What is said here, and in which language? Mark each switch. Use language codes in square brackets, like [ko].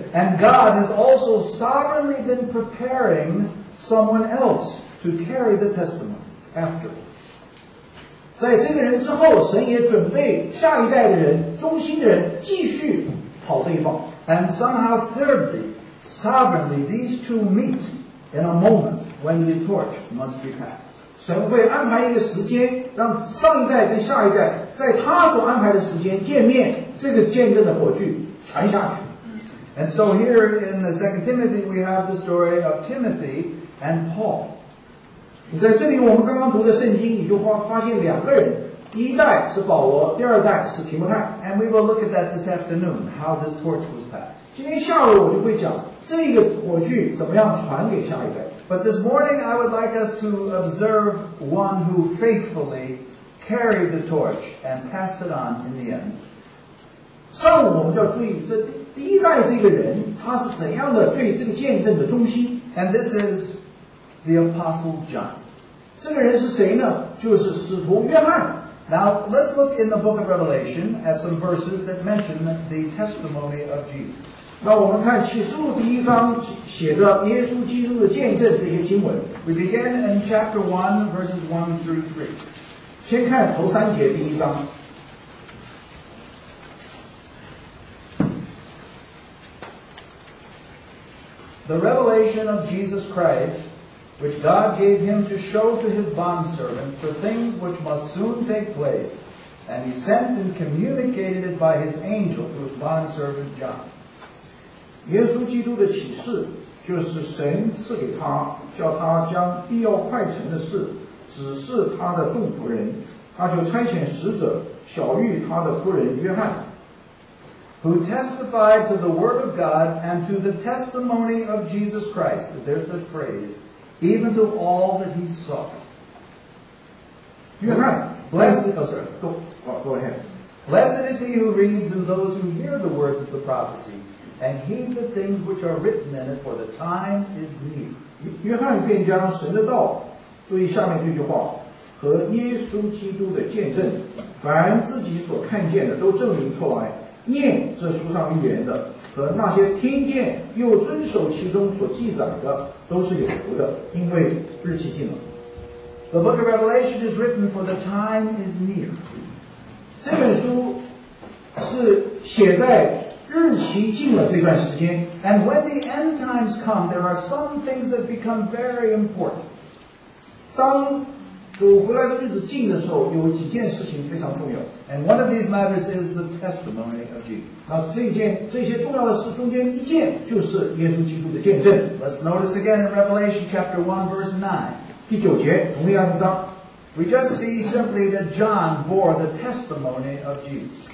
[en] And God has also sovereignly been preparing someone else to carry the testimony afterward. [zh] 在这个人之后，神也准备下一代的人，忠心的人继续跑这一棒。 [en] And somehow, thirdly, sovereignly, these two meet in a moment when the torch must be passed. [zh] 神会安排一个时间，让上一代跟下一代在他所安排的时间见面，这个见证的火炬传下去。 [en] And so here in the Second Timothy, we have the story of Timothy and Paul. [zh] 在这里我们刚刚读的圣经，你就发现两个人。第一代是保罗，第二代是提摩太。 [en] And we will look at that this afternoon, how this torch was passed. [zh] 今天下午我就会讲这个火炬怎么样传给下一代。 [en] But this morning I would like us to observe one who faithfully carried the torch and passed it on in the end. [zh] 上午我们就要注意这第一代这个人他是怎样的对这个见证的忠心。 [en] And this is the Apostle John. [zh] 这个人是谁呢？就是使徒约翰。 [en] Now, let's look in the book of Revelation at some verses that mention the testimony of Jesus. [zh] 那我们看启示录第一章写的耶稣基督的见证这些经文。 [en] We begin in chapter 1, verses 1 through 3. [zh] 先看头三节第一章。 [en] The revelation of Jesus Christ,which God gave him to show to his bondservants the things which must soon take place, and he sent and communicated it by his angel to his bondservant John. [zh] 耶稣基督的启示就是神赐给他，叫他将必要快成的事指示他的众仆人，他就差遣使者晓谕他的仆人约翰。 [en] Who testified to the word of God and to the testimony of Jesus Christ, there's the phrase,Even to all that he saw. Blessed is he who reads and those who hear the words of the prophecy and heed the things which are written in it, for the time is near. [zh] 约翰便将神的道，注意下面这句话，和耶稣基督的见证，凡自己所看见的都证明出来，念这书上预言的和那些听见又遵守其中所记载的都是有福的，因为日期近了。 [en] The book of Revelation is written for the time is near. [zh] 这本书是写在日期近了这段时间。 [en] And when the end times come, there are some things that become very important. [zh] 当主回来的日子近的时候，有几件事情非常重要。 [en] And one of these matters is the testimony of Jesus. [zh] 那这些重要的事中间一件就是耶稣基督的见证。 [en] Let's notice again in Revelation chapter 1 verse 9. [zh] 第九节，同样一章。 [en] We just see simply that John bore the testimony of Jesus.